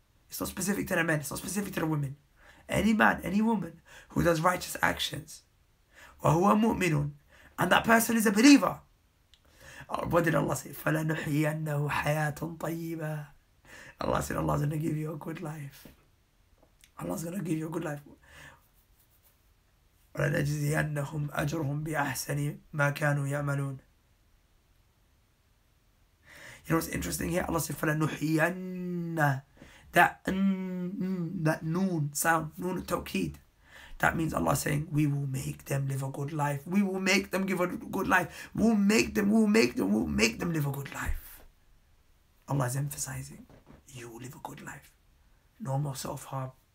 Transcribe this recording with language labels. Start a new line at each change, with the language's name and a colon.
English: It's not specific to the men, it's not specific to the women. Any man, any woman who does righteous actions,
Arabic: وَهُوَ مُؤْمِنٌ,
English: and that person is a believer. What did Allah say?
Arabic: فَلَنُحْيَنَّهُ حَيَاةٌ طَيِّبًا.
English: Allah said, Allah's going to give you a good life. Allah's going to give you a good life.
Arabic: وَلَنَجْزِيَنَّهُمْ أَجْرُهُمْ بِأَحْسَنِ مَا كَانُوا يَعْمَلُونَ.
English: You know what's interesting here? Allah said, فَلَنُحْيَنَّهُ. That noon sound, noon of tawkid, that means Allah saying, we will make them live a good life. We will make them give a good life. We'll make them live a good life. Allah is emphasizing, you will live a good life. No more self-harm.